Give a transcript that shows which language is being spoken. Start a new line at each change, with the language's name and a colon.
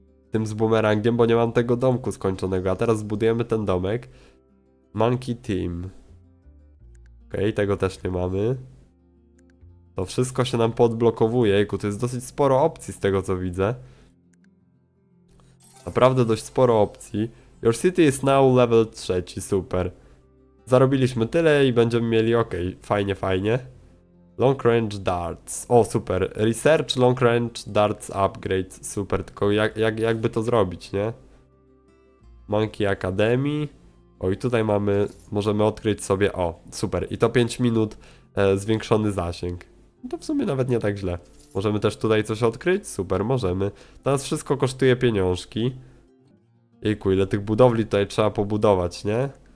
Polish: Tym z bumerangiem, bo nie mam tego domku skończonego. A teraz zbudujemy ten domek. Monkey Team. Okej, tego też nie mamy. To wszystko się nam podblokowuje. Jejku, to jest dosyć sporo opcji z tego co widzę. Naprawdę dość sporo opcji.
English: Your city is now level 3, super.
Polish: Zarobiliśmy tyle i będziemy mieli, okej, fajnie, fajnie.
English: Long range darts, o super. Research long range darts upgrade, super.
Polish: Tylko jakby to zrobić, nie? Monkey Academy. O, i tutaj mamy, możemy odkryć sobie, o, super. I to 5 minut zwiększony zasięg. To w sumie nawet nie tak źle. Możemy też tutaj coś odkryć? Super, możemy. Teraz wszystko kosztuje pieniążki. Jejku, ile tych budowli tutaj trzeba pobudować, nie?